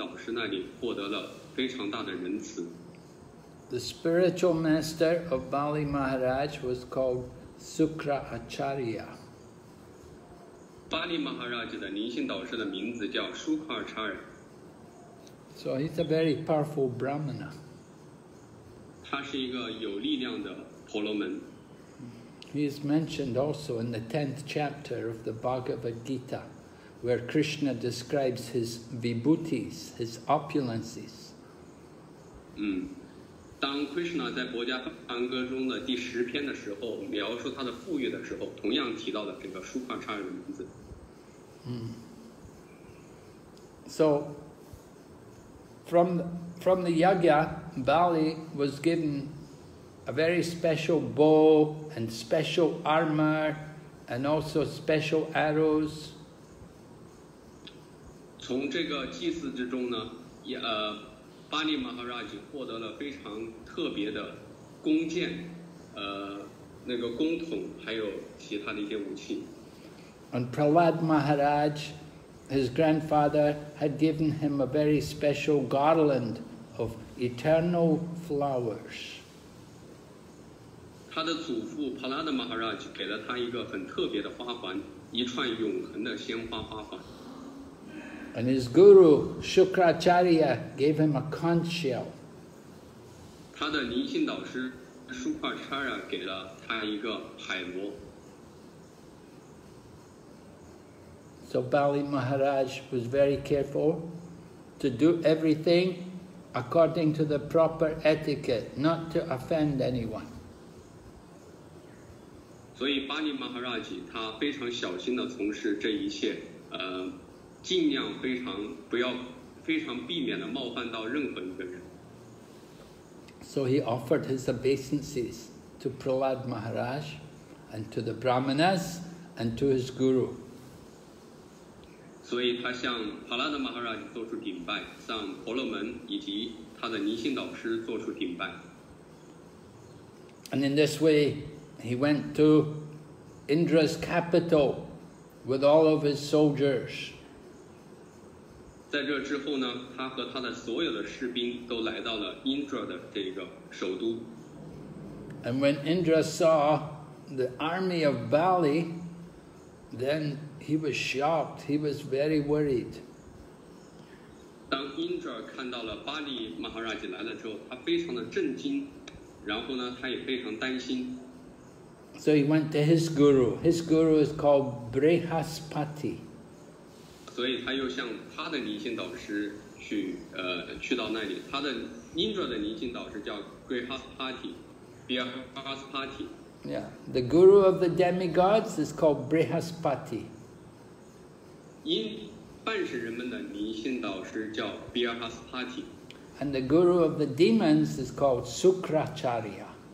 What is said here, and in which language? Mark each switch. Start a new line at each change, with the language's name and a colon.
Chinese: 他们知道巴利马哈拉吉从他的灵性导师那里获得了非常大的仁慈。
English: The spiritual master of Bali Maharaj was called Sukra Acharya.
Chinese: 巴利马哈拉吉的灵性导师的名字叫舒卡尔查尔。
English: So he's a very powerful Brahmana.
Chinese: 他是一个有力量的婆罗门。
English: He is mentioned also in the 10th chapter of the Bhagavad Gita, where Krishna describes his vibhutis, his opulences.
Chinese: 当 Krishna 在《薄伽梵歌》中的第十篇的时候，描述他的富裕的时候，同样提到了这个舒帕叉人的名字。
English: So, from the yagya, Bali was given a very special bow and special armor, and also special arrows.
Chinese: 从这个祭祀之中呢，巴利马哈拉吉获得了非常特别的弓箭，那个弓筒，还有其他的一些武器。
English: And Prahlad Maharaj, his grandfather, had given him a very special garland of eternal flowers.
Chinese: 他的祖父 Prahlad Maharaj 给了他一个很特别的花环，一串永恒的鲜花花环。
English: And his guru, Shukracharya, gave him a conch shell.
Chinese: 他的灵性导师 Shukracharya 给了他一个海螺。
English: So Bali Maharaj was very careful to do everything according to the proper etiquette, not to offend anyone.
Chinese: 所以巴利马哈拉吉他非常小心地从事这一切，尽量非常不要非常避免的冒犯到任何一个人。
English: So he offered his obeisances to Prahlad Maharaj and to the Brahmanas and to his guru.
Chinese: 所以他向 Prahlad Maharaj 做出顶拜，向婆罗门以及他的尼性导师做出顶拜。
English: And in this way, he went to Indra's capital with all of his soldiers.
Chinese: 在这之后呢，他和他的所有的士兵都来到了 Indra 的这个首都。
English: And when Indra saw the army of Bali, then he was shocked. He was very worried.
Chinese: 当 Indra 看到了巴利马哈拉吉来了之后，他非常的震惊，然后呢，他也非常担心。
English: So he went to his guru. His guru is called Brihaspati.
Chinese: 所以他又向他的灵性导师去，去到那里。他的 Indra 的灵性导师叫 Brihaspati。
English: Yeah, the guru of the demigods is called Brihaspati.
Chinese: 半神人们的灵性导师叫 Brihaspati.
English: And the guru of the demons is called Shukracharya.